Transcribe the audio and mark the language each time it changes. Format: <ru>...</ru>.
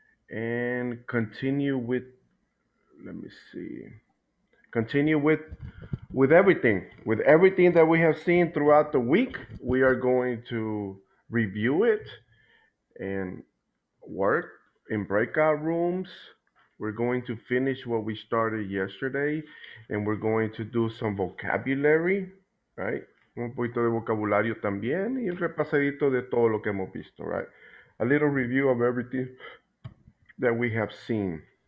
<en>And continue with everything that we have seen throughout the week. We are going to review it and work in breakout rooms. We're going to finish what we started yesterday, and we're going to do some vocabulary, right?</en> <es>Un poquito de vocabulario también y el repasadito de todo lo que hemos visto, right?</es> <en>A little review of everything that we have seen.</en>